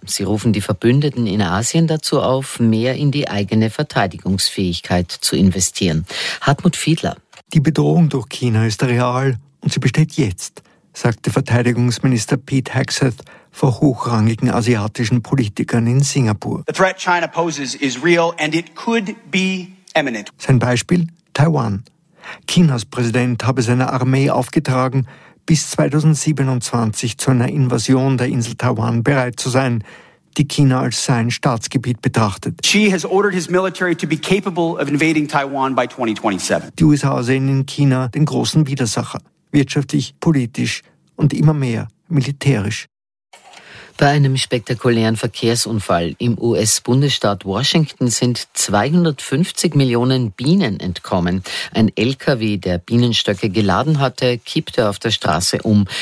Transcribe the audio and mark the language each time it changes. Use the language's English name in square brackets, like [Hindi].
[German] Sie rufen die Verbündeten in Asien dazu auf, mehr in die eigene Verteidigungsfähigkeit zu investieren. Hartmut Fiedler. Die Bedrohung durch China ist real und sie besteht jetzt, sagte Verteidigungsminister Pete Hegseth vor hochrangigen asiatischen Politikern in Singapur. [English] The threat China poses is real and it could be imminent. [German] Sein Beispiel: Taiwan. Chinas Präsident habe seine Armee aufgetragen, bis 2027 zu einer Invasion der Insel Taiwan bereit zu sein, die China als sein Staatsgebiet betrachtet. [English] Xi has ordered his military to be capable of invading Taiwan by 2027. [German] Die USA sehen in China den großen Widersacher, wirtschaftlich, politisch und immer mehr militärisch. Bei einem spektakulären Verkehrsunfall im US-Bundesstaat Washington sind 250 Millionen Bienen entkommen. Ein LKW, der Bienenstöcke geladen hatte, kippte auf der Straße um.